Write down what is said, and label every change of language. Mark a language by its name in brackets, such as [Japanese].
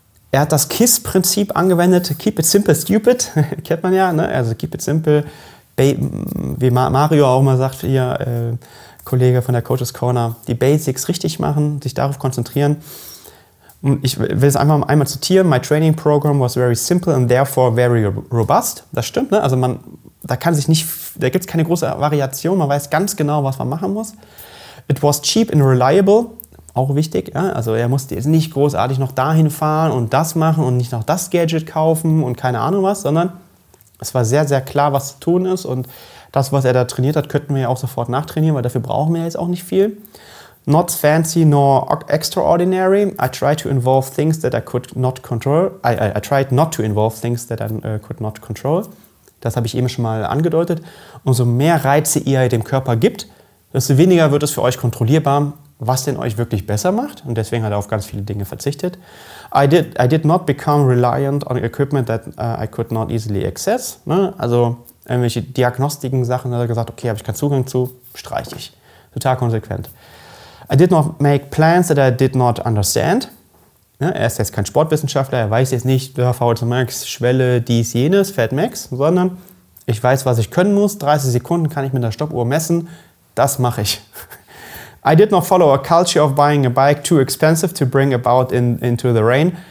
[German] Er hat das KISS-Prinzip angewendet. [English] Keep it simple, stupid. [German] Kennt man ja, ne? Also [English] keep it simple. [German] Wie Mario auch mal sagt, ihr Kollege von der Coaches Corner, die Basics richtig machen, sich darauf konzentrieren. Und ich will es einmal zitieren. [English] My training program was very simple and therefore very robust. [German] Das stimmt, ne? Also man, da gibt es keine große Variation. Man weiß ganz genau, was man machen muss. [English] It was cheap and reliable. [German] Auch wichtig, ja? Also er musste jetzt nicht großartig noch dahin fahren und das machen und nicht noch das Gadget kaufen und keine Ahnung was, sondern es war sehr, sehr klar, was zu tun ist und das, was er da trainiert hat, könnten wir ja auch sofort nachtrainieren, weil dafür brauchen wir jetzt auch nicht viel. [English] Not fancy nor extraordinary. I tried to involve things that I could not control. I tried not to involve things that I could not control. [German] Das habe ich eben schon mal angedeutet. Umso mehr Reize ihr dem Körper gibt, desto weniger wird es für euch kontrollierbar, was denn euch wirklich besser macht. Und deswegen hat er auf ganz viele Dinge verzichtet. [English] I did not become reliant on equipment that I could not easily access. [German] Ne? Also irgendwelche diagnostischen Sachen, da hat er gesagt, okay, habe ich keinen Zugang zu, streiche ich. Total konsequent. [English] I did not make plans that I did not understand. [German] Ja, er ist jetzt kein Sportwissenschaftler, er weiß jetzt nicht, VO2max, Schwelle, dies, jenes, Fatmax, sondern ich weiß, was ich können muss. 30 Sekunden kann ich mit der Stoppuhr messen. Das mache ich. [English] I did not follow a culture of buying a bike too expensive to bring about into the rain.